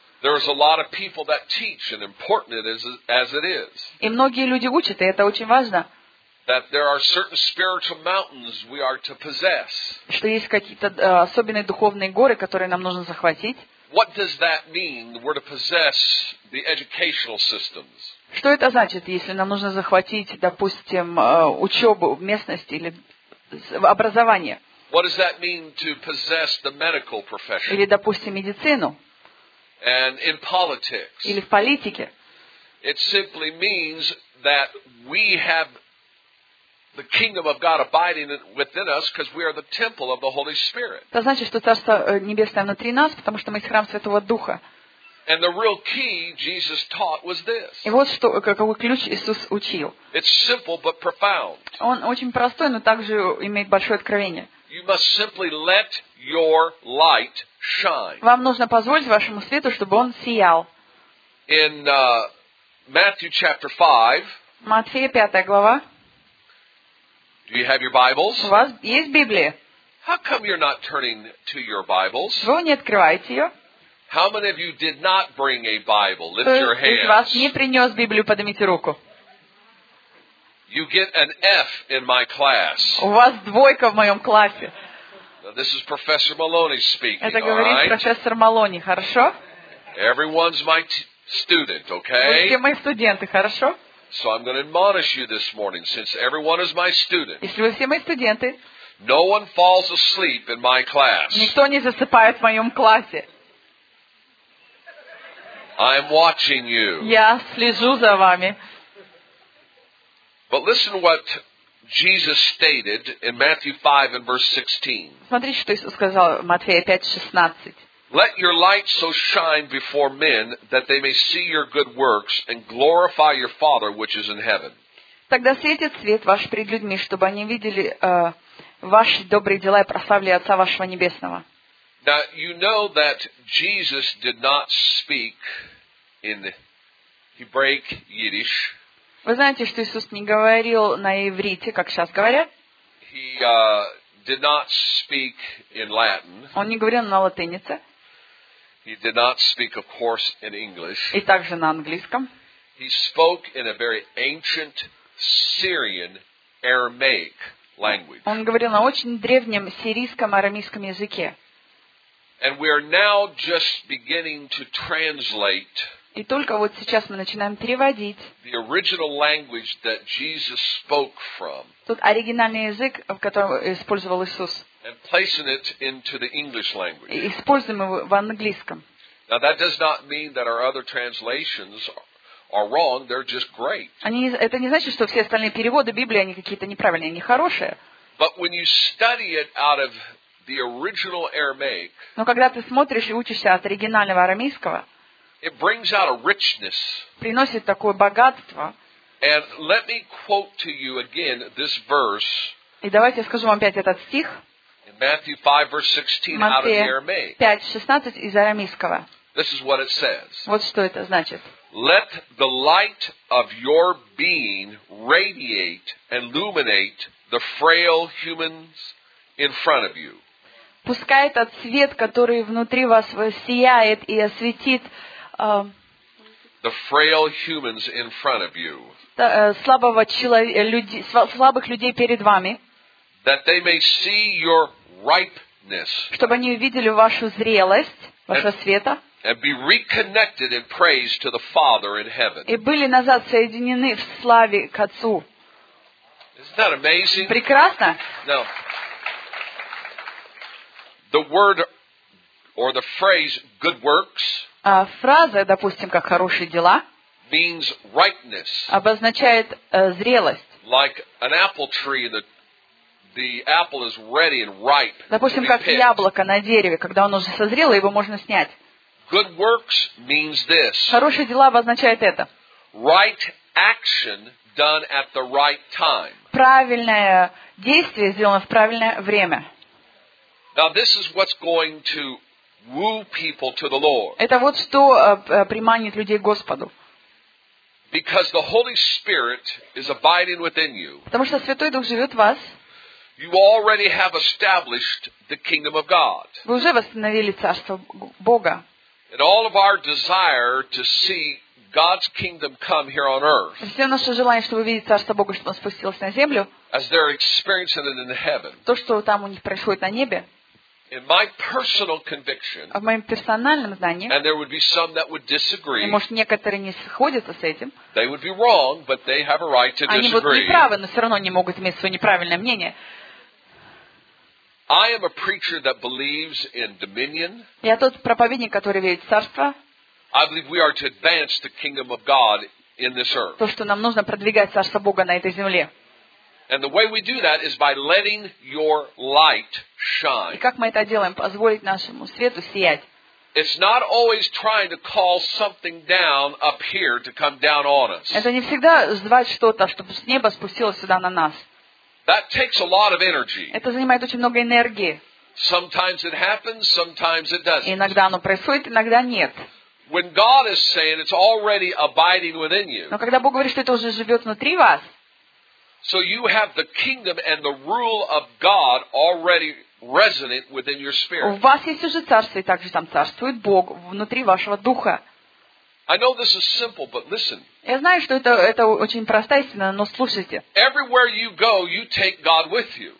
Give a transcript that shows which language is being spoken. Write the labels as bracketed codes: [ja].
[en] There is a lot of people that teach, and important as it is. [ru] И многие люди учат, и это очень важно. [en] That there are certain spiritual mountains we are to possess. [ru] Что есть какие-то особенные духовные горы, которые нам нужно захватить. [en] What does that mean? We're to possess the educational systems. [ru] Что это значит, если нам нужно захватить, допустим, учебу в местности или образование? [en] What does that mean to possess the medical profession? [ru] Или, допустим, медицину? [en] And in politics. [ru] Или в политике? [en] It simply means that we have the kingdom of God abiding within us because we are the temple of the Holy Spirit. [ru] Это значит, что Царство Небесное внутри нас, потому что мы храм Святого Духа. [en] And the real key Jesus taught was this. [ru] И вот что какой ключ Иисус учил. [en] It's simple but profound. [ru] Он очень простой, но также имеет большое откровение. [en] You must simply let your light shine. [ru] Вам нужно позволить вашему свету, чтобы он сиял. [en] In Matthew chapter 5. [ru] Матфея 5 глава. [en] Do you have your Bibles? [ru] У вас есть Библия? [en] How come you're not turning to your Bibles? [ru] Вы не открываете ее? [en] How many of you did not bring a Bible? Lift your hands. [ru] Из вас не принес Библию, поднимите руку. [en] You get an F in my class. [ru] У вас двойка в моем классе. [en] Now, this is Professor Maloney speaking. [ru] Это говорит [en] all right? [ru] Профессор Малони, хорошо? [en] Everyone's my student, okay? [ru] Вы все мои студенты, хорошо? [en] So I'm going to admonish you this morning, since everyone is my student. [ru] Если вы все мои студенты. [en] No one falls asleep in my class. [ru] Никто не засыпает в моем классе. [en] I'm watching you. [ru] Я слежу за вами. [en] But listen what Jesus stated in Matthew 5 and verse 16. [ru] Смотрите, что Иисус сказал в Матфея 5:16. [en] Let your light so shine before men that they may see your good works and glorify your Father which is in heaven. [ru] Тогда светит свет ваш пред людьми, чтобы они видели ваши добрые дела и прославили Отца вашего небесного. [en] Now you know that Jesus did not speak in Hebraic Yiddish. [ru] Вы знаете, что Иисус не говорил на иврите, как сейчас говорят? [en] He did not speak in Latin. [ru] Он не говорил на латинице. [en] He did not speak, of course, in English. [ru] И также на английском. [en] He spoke in a very ancient Syrian Aramaic language. [ru] Он говорил на очень древнем сирийском арамейском языке. [en] And we are now just beginning to translate. [ru] И только вот сейчас мы начинаем переводить. [en] The original language that Jesus spoke from. [ru] Тот оригинальный язык, в котором использовал Иисус. [en] And placing it into the English language. [ru] И используем его в английском. [en] Now that does not mean that our other translations are wrong. They're just great. [ru] Они, это не значит, что все остальные переводы Библии они какие-то неправильные, они хорошие. [en] But when you study it out of the original Aramaic. [ru] Но когда ты смотришь и учишься от оригинального арамейского, [en] it brings out a richness. [ru] Приносит такое богатство. [en] And let me quote to you again this verse. [ru] И давайте я скажу вам опять этот стих. [en] In Matthew 5 verse 16 out of the Aramaic. [ru] 5:16 из арамейского. [en] This is what it says. [ru] Вот что это значит. [en] Let the light of your being radiate and illuminate the frail humans in front of you. [ru] Пускай этот свет, который внутри вас сияет и осветит [en] the frail humans in front of you. [ru] Слабого человека, слабых людей перед вами. [en] That they may see your ripeness. [ru] Чтобы они увидели вашу зрелость, вашего света. [en] And be reconnected in praise to the Father in heaven. [ru] И были назад соединены в славе к Отцу. [en] Isn't that amazing? [ru] Прекрасно. [en] No. The word or the phrase good works. [ru] Фраза, допустим, как хорошие дела, [en] means ripeness. [ru] Обозначает зрелость. [en] Like an apple tree, the apple is ready and ripe. [ru] Допустим, как яблоко на дереве, когда оно уже созрело, его можно снять. [en] Good works means this. [ru] Хорошие дела обозначает это. [en] Right action done at the right time. [ru] Правильное действие сделано в правильное время. [en] Now this is what's going to woo people to the Lord. [ru] Это вот что приманит людей к Господу. [en] Because the Holy Spirit is abiding within you. [ru] Потому что Святой Дух живет в вас. [en] You already have established the kingdom of God. [ru] Вы уже восстановили царство Бога. [en] And all of our desire to see God's kingdom come here on earth. [ru] Все наше желание, чтобы увидеть царство Бога, чтобы оно спустилось на землю. [en] As they're experiencing it in heaven. [ru] То, что там у них происходит на небе. [en] In my personal conviction, [ru] в моем персональном знании, [en] and there would be some that would disagree, [ru] и, может, некоторые не сходятся с этим, [en] they would be wrong, but they have a right to [ru] disagree. Они будут неправы, но все равно они могут иметь свое неправильное мнение. [en] I am a preacher that believes in dominion. [ru] Я тот проповедник, который верит в царство. [en] I believe we are to advance the kingdom of God in this earth. [ru] То, что нам нужно продвигать царство Бога на этой земле. [en] And the way we do that is by letting your light shine. [ru] И как мы это делаем? Позволить нашему свету сиять. [en] It's not always trying to call something down up here to come down on us. [ru] Это не всегда звать что-то, чтобы с неба спустилось сюда на нас. [en] That takes a lot of energy. [ru] Это занимает очень много энергии. [en] Sometimes it happens, sometimes it doesn't. [ru] Иногда оно происходит, иногда нет. [en] When God is saying it's already abiding within you. [ru] Но когда Бог говорит, что это уже живет внутри вас. [en] So you have the kingdom and the rule of God already resonant within your spirit. [ru] У вас есть уже царство, и также там царствует Бог внутри вашего духа. [en] I know this is simple, but listen. [ru] Я знаю, что это очень простая истина, но слушайте. [en] Everywhere you go, you take God with you.